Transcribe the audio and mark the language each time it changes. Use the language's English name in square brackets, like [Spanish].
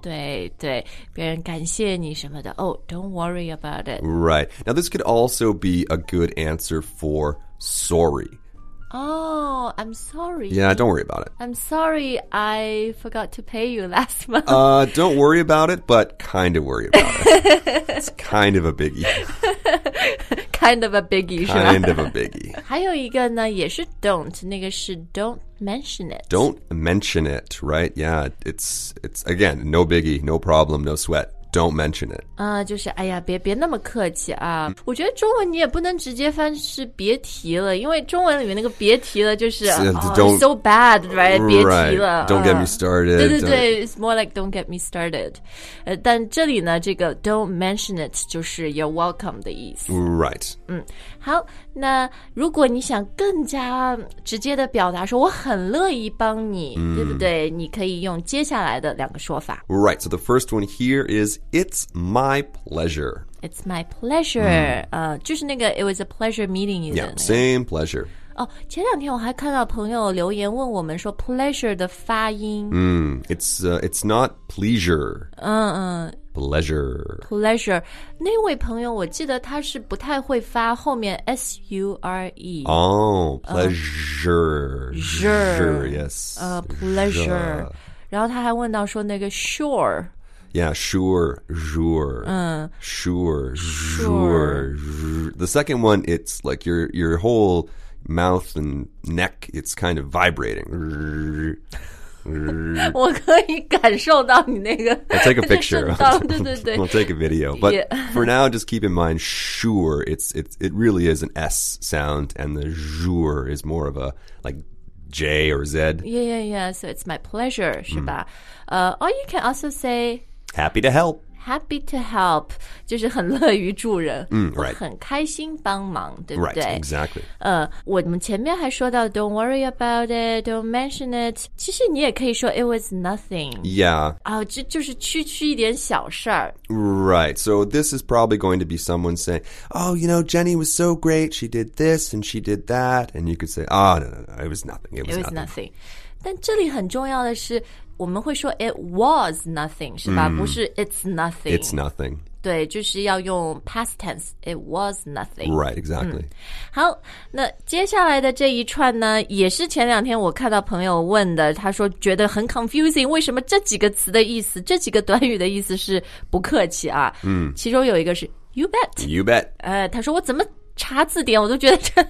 [Chinese] 对对，别人感谢你什么的。 [English] Oh, don't worry about it. Right. Now, this could also be a good answer for sorry. Oh, I'm sorry. Yeah, don't worry about it. I'm sorry I forgot to pay you last month. Don't worry about it, but kind of worry about it. It's kind of a biggie. Kind of a biggie, right? Kind of a biggie. [Chinese] 还有一个呢，也是 don't, 那个是 don't mention it. [English] Don't mention it, right? Yeah, it's again, no biggie, no problem, no sweat. Don't mention it. [Chinese] 就是哎呀别那么客气啊。我觉得中文你也不能直接翻是别提了，因为中文里面那个别提了就是 [English] so bad, right? [Chinese] 别提了。 [English] Right, don't get me started. [Chinese] 对对对 [English] it's more like don't get me started. [Chinese] 但这里呢这个 [English] don't mention it [Chinese] 就是 [English] you're welcome [Chinese] 的意思。 [English] Right. [Chinese] 好那如果你想更加直接的表达说我很乐意帮你、mm. 对不对你可以用接下来的两个说法。 [English] Right, so the first one here is,It's my pleasure. It's my pleasure.、Mm. [Chinese] 就是那个 [English] it was a pleasure meeting you. Yeah, same pleasure. [Chinese] 哦，前两天我还看到朋友留言问我们说 pleasure 的发音。 [English] It's not pleasure. Pleasure. Pleasure. [Chinese] 那位朋友我记得他是不太会发后面 S-U-R-E. [English] Oh, pleasure. Sure, yes. Pleasure. [Chinese] 然后他还问到说那个 sure. [English] Yeah, sure, sure, sure, sure. The second one, it's like your whole mouth and neck, it's kind of vibrating. [Chinese] 我可以感受到你那个 [English] I'll take a picture. [Chinese] 对对对 [English] We'll take a video. But、yeah. for now, just keep in mind, sure, it really is an S sound, and the sure is more of a, like,J or Z. Yeah, yeah, yeah. So it's my pleasure, [Chinese] 是吧、 [English] or you can also say... Happy to help. Happy to help. [Chinese] 就是很乐于助人。 [English] Right. [Chinese] 很开心帮忙，对不对 [English] Right, exactly. [Chinese] 我们前面还说到 [English] don't worry about it, don't mention it. [Chinese] 其实你也可以说 [English] it was nothing. Yeah. [Chinese] 就是区区一点小事儿。 [English] Right, so this is probably going to be someone saying, oh, you know, Jenny was so great, she did this and she did that. And you could say, oh, no, it was nothing. It was nothing. [Chinese] 但这里很重要的是我们会说 [English] it was nothing, [Chinese] 是吧、mm. 不是 [English] it's nothing. It's nothing. [Chinese] 对就是要用 past tense, [English] it was nothing. Right, exactly.、 [Chinese] 好那接下来的这一串呢也是前两天我看到朋友问的他说觉得很 confusing, 为什么这几个词的意思这几个短语的意思是不客气啊、mm. 其中有一个是 [English] you bet. You bet.、 [Chinese] 他说我怎么查字典我都觉得这